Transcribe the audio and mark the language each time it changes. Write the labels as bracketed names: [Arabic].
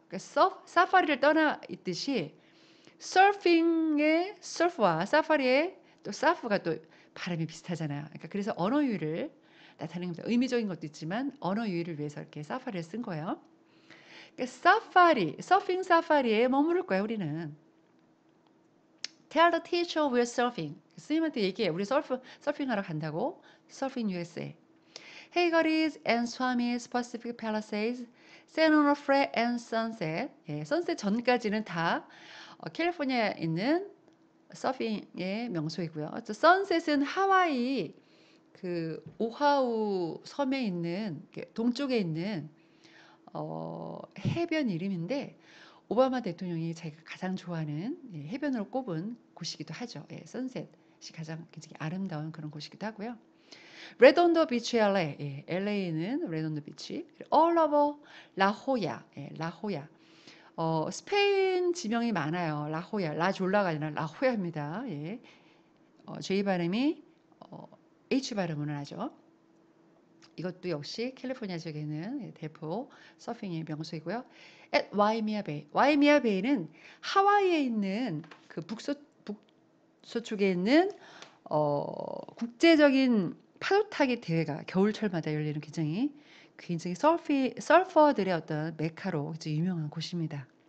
[Korean] 그러니까 사파리를 떠나 있듯이 서핑의 서프와 사파리의 또 서프가 또 발음이 비슷하잖아요. 그러니까 그래서 언어 유희를 나타내는 겁니다. 의미적인 것도 있지만 언어 유희를 위해서 이렇게 사파리를 쓴 거예요. 그러니까 사파리, 서핑 사파리에 머무를 거예요. 우리는 [English] Tell the teacher we're surfing. [Korean] 선생님한테 얘기해. 우리 서핑하러 간다고. Surfing USA. [English] Hagaris and Swami's Pacific Palisades. San Onofre and Sunset. [Korean] 예, Sunset 전까지는 다 캘리포니아에 있는 서핑의 명소이고요. Sunset은 하와이 그 오하우 섬에 있는 동쪽에 있는 해변 이름인데 오바마 대통령이 자기가 가장 좋아하는 예, 해변으로 꼽은 곳이기도 하죠. 예, Sunset. 가장 굉장히 아름다운 그런 곳이기도 하고요. [English] Red on the beach LA. [Korean] 예, LA는 Red on the beach. [English] All over La Jolla. 예, La Jolla. [Korean] 스페인 지명이 많아요. [English] La Jolla. [Korean] La Jolla가 아니라 La Jolla입니다. 예. J 발음이 H 발음으로 하죠. 이것도 역시 캘리포니아 지역에는 대포 서핑의 명소이고요. [English] At Waimea Bay. [Korean] Waimea Bay는 하와이에 있는 그 북서쪽에 있는 국제적인 파도타기 대회가 겨울철마다 열리는 굉장히 서퍼들의 어떤 메카로 굉장히 유명한 곳입니다.